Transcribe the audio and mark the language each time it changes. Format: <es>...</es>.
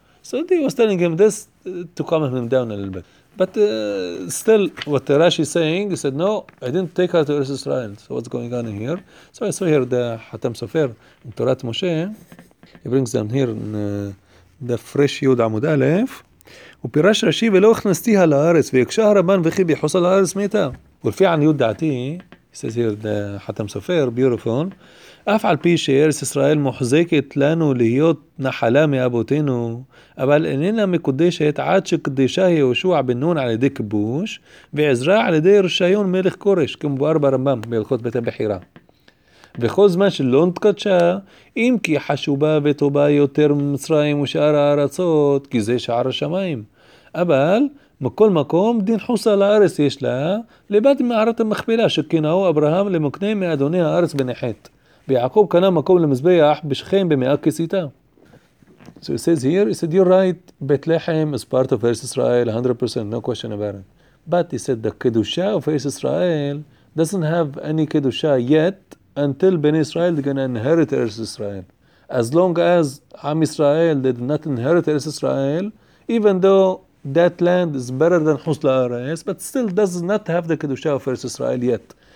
<en>So he was telling him this to calm him down a little bit. But still, what Rashi is saying, he said, no, I didn't take her to Eretz Israel. So what's going on here? So I saw here the Hatam Sofer in Torat Moshe. He brings them here in the fresh Yud Amud Aleph.</en> <he>ופירש רשי ולא הכנסתיה לארץ ויקשה הרבן וכי ביחוסה לארץ מתה ולפי עניות דעתי</he> <en>says here the</en> <he>חתם סופר</he> <en>beautiful</en> <he>אף על פי שארץ ישראל מוחזקת לנו להיות נחלה מאבותינו אבל איננה מקודשת עד שקדשה יהושע בן נון על ידי כיבוש ועזרה על ידי רשיון מלך כורש כמבואר ברמב"ם בהלכות בית הבחירה וכל זמן שלא נתקדשה, אם כי חשובה וטובה יותר ממצרים ושאר הארצות, כי זה שער השמיים. אבל, מכל מקום, דין חוסה לארץ יש לה, לבד מערת המכפלה שכנעו אברהם למקנה מאדוני הארץ בנחת. ויעקב קנה מקום למזבח בשכם במאה כסיתה.</he> <en>So it says here, it said, you're right, בית לחם is part of Eretz Israel, 100%, no question about it. But it said, the קדושה of Eretz Israel doesn't have any קדושה yet, until Ben Israel they're going to inherit Eretz Israel. As long as Am Israel did not inherit Eretz Israel, even though that land is better than Chutz La'aretz, but still does not have the Kedusha of Eretz Israel yet.</en>